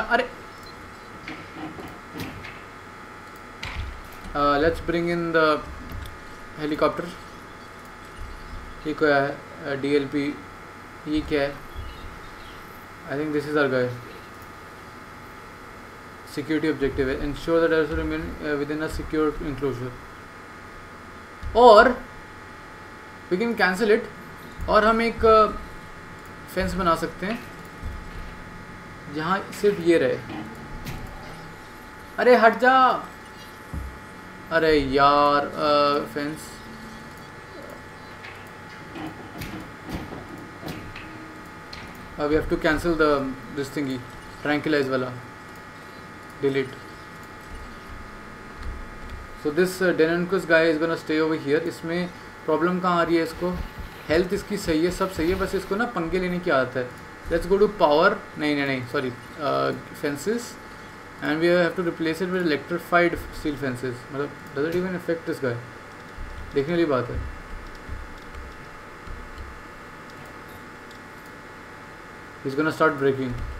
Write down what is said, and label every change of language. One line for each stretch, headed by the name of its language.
English: अरे let's bring in the helicopter.
Hindi: ये क्या है. DLP. ये क्या है.
English: I think this is our guy. Security objective है. Ensure that dinosaur remain within a secure enclosure. Or we can cancel it.
Hindi: और हम एक फेंस बना सकते हैं जहाँ सिर्फ ये रहे. अरे हट जा. अरे यार fence.
English: We have to cancel the this thingy.
Hindi: Tranquilize वाला.
English: Delete. So this Denoncus guy is gonna stay over here.
Hindi: इसमें problem कहाँ आ रही है इसको. Health इसकी सही है सब सही है बस इसको ना पंगे लेने की आदत है.
English: Let's go to power. नहीं sorry fences. And we have to replace it with electrified steel fences. मतलब does it even affect this guy.
Hindi: देखने वाली बात है.
English: He's gonna start breaking.